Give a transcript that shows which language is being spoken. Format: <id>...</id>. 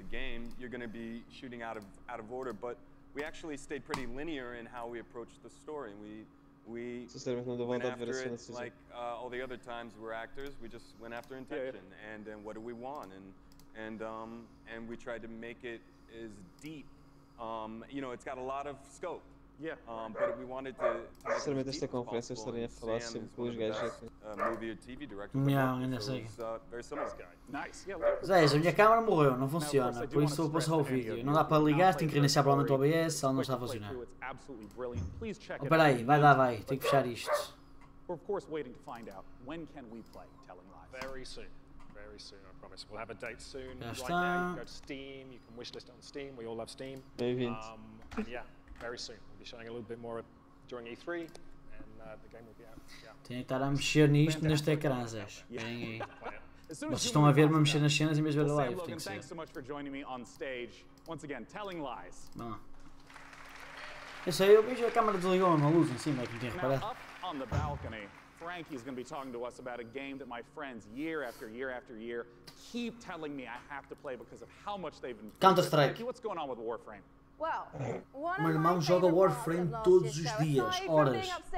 <en>a game, you're going to be shooting out of order, but we actually stayed pretty linear in how we approached the story. We went after it like all the other times we're actors. We just went after intention, yeah. And what do we want? And we tried to make it as deep. You know, it's got a lot of scope. Yeah. But we wanted to.</en> <pt>Sinceramente, esta conferência estaria a falar sempre com os gajos.</pt> <en>Movie or TV director. Yeah,</en> <pt>ainda sei.</pt> <en>Very similar guy. Nice. Yeah.</en> <pt>Zé, a minha câmera morreu, não funciona. Por isso eu posso ver o vídeo. Não dá para ligar, tenho que reiniciar provavelmente o OBS, ou não está a funcionar. Espera aí, vai lá, vai. Tenho que fechar isto.</pt> <en>We're of course waiting to find out when can we play Telling Lies. Very soon. Very soon, I promise. We'll have a date soon. Right now, you can go to Steam. You can wishlist on Steam. We all love Steam.</en> <pt>Bem-vindo.</pt> <en>Very soon. We'll be showing a little bit more during E3 and the game will be out. Yeah.</en> <pt>Tem que estar a mexer nisto neste ecrã, Zé. Vem aí. Vocês estão a ver-me a mexer nas cenas em vez de ver a live.</pt> <en>Sam, Logan, thanks so much for joining me on stage. Once again, Telling Lies.</en> <pt>Bom. Isso aí, eu vejo a câmera desligou uma luz em cima, que não tinha reparado.</pt> <en>Now, up on the balcony, Frankie's going to be talking to us about a game that my friends, year after year after year, keep telling me I have to play because of how much they've been... Counter-Strike. Frankie, what's going on with Warframe? Well, one</en> <pt>meu irmão joga Warframe todos os dias, horas.</pt>